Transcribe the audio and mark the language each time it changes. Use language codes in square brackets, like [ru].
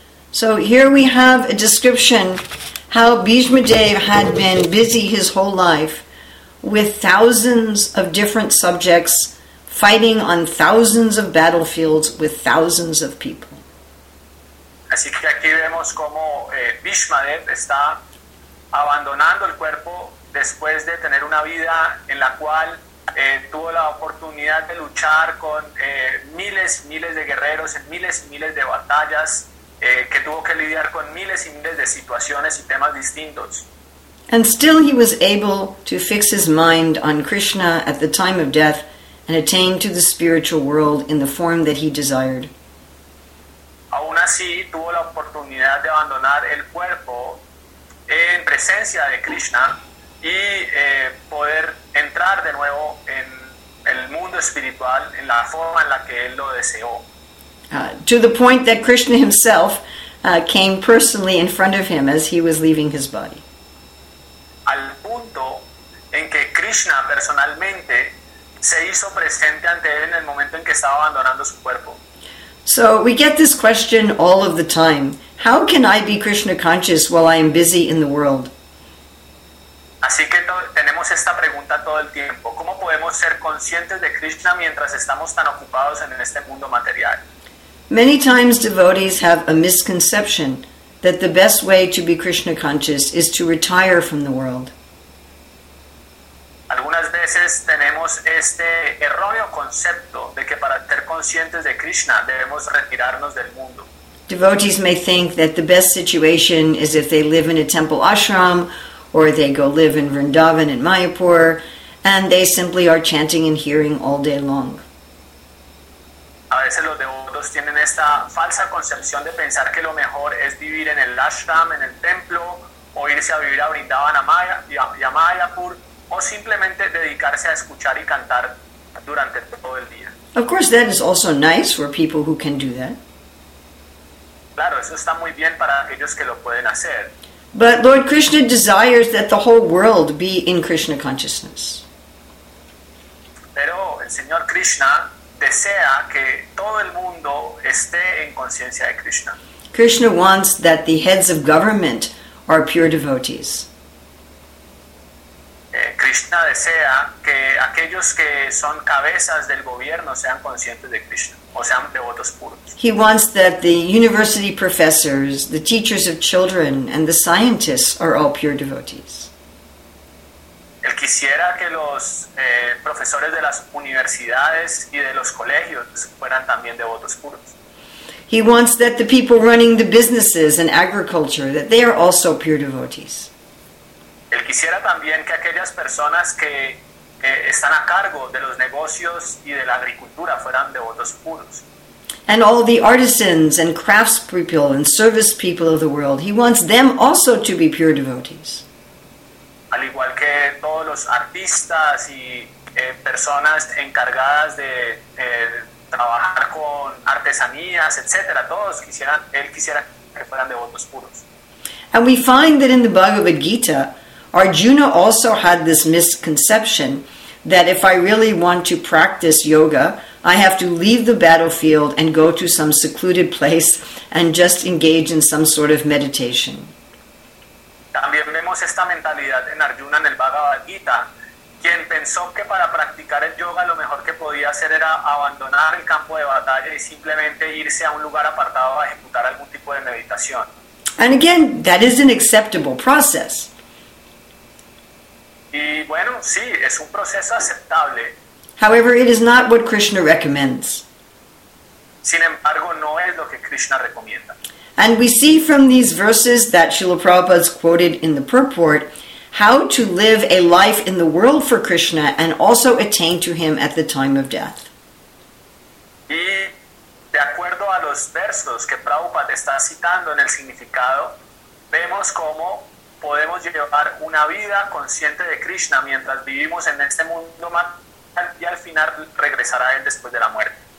[en] So here we have a description how Bhishma Dev had been busy his whole life with thousands of different subjects, fighting on thousands of battlefields with thousands of people. [es] Así que aquí vemos cómo Bhishmadev está abandonando el cuerpo después de tener una vida en la cual tuvo la oportunidad de luchar con miles y miles de guerreros en miles y miles de batallas, que tuvo que lidiar con miles y miles de situaciones y temas distintos. [en] And still he was able to fix his mind on Krishna at the time of death and attain to the spiritual world in the form that he desired. [es] Aún así tuvo la oportunidad de abandonar el cuerpo en presencia de Krishna y poder entrar de nuevo en el mundo espiritual en la forma en la que él lo deseó. [en] To the point that Krishna himself came personally in front of him as he was leaving his body. [es] Al punto en que Krishna personalmente se hizo presente ante él en el momento en que estaba abandonando su cuerpo. [en] So we get this question all of the time. How can I be Krishna conscious while I am busy in the world? [es] Así que tenemos esta pregunta todo el tiempo. ¿Cómo podemos ser conscientes de Krishna mientras estamos tan ocupados en este mundo material? [en] Many times devotees have a misconception that the best way to be Krishna conscious is to retire from the world. [es] Algunas veces tenemos este erróneo concepto de que para ser conscientes de Krishna debemos retirarnos del mundo. [en] Devotees may think that the best situation is if they live in a temple ashram, or they go live in Vrindavan in Mayapur, and they simply are chanting and hearing all day long. [es] A veces los devotos tienen esta falsa concepción de pensar que lo mejor es vivir en el ashram, en el templo, o irse a vivir a Vrindavan a Mayapur, o simplemente dedicarse a escuchar y cantar durante todo el día. [en] Of course, that is also nice for people who can do that. [es] Claro, eso está muy bien para aquellos que lo pueden hacer. [en] But Lord Krishna desires that the whole world be in Krishna consciousness. [es] Pero el Señor Krishna desea que todo el mundo esté en conciencia de Krishna. [en] Krishna wants that the heads of government are pure devotees. [es] Krishna desea que aquellos que son cabezas del gobierno sean conscientes de Krishna, o sean devotos puros. [en] He wants that the university professors, the teachers of children, and the scientists are all pure devotees. [es] Él quisiera que los profesores de las universidades y de los colegios fueran también devotos puros. [en] He wants that the people running the businesses and agriculture, that they are also pure devotees. [es] Él quisiera también que aquellas personas que están a cargo de los negocios y de la agricultura fueran devotos puros. [en] And all the artisans and craftspeople and service people of the world, he wants them also to be pure devotees. [es] Al igual que todos los artistas y personas encargadas de trabajar con artesanías, etcétera, todos quisieran, él quisiera que fueran devotos puros. [en] And we find that in the Bhagavad Gita, Arjuna also had this misconception that if I really want to practice yoga, I have to leave the battlefield and go to some secluded place and just engage in some sort of meditation. [es] También vemos esta mentalidad en Arjuna en el Bhagavad Gita, quien pensó que para practicar el yoga lo mejor que podía hacer era abandonar el campo de batalla y simplemente irse a un lugar apartado a ejecutar algún tipo de meditación. [en] And again, that is an acceptable process. [es] Y bueno, sí, es un proceso aceptable. [en] However, it is not what Krishna recommends. [es] Sin embargo, no es lo que Krishna recomienda. [en] And we see from these verses that Srila Prabhupada quoted in the purport how to live a life in the world for Krishna and also attain to him at the time of death. [es] Y de acuerdo a los versos que Prabhupada está citando en el significado, vemos cómo podemos llevar una vida consciente de Krishna mientras vivimos en este mundo material y al final regresará a él después de la muerte.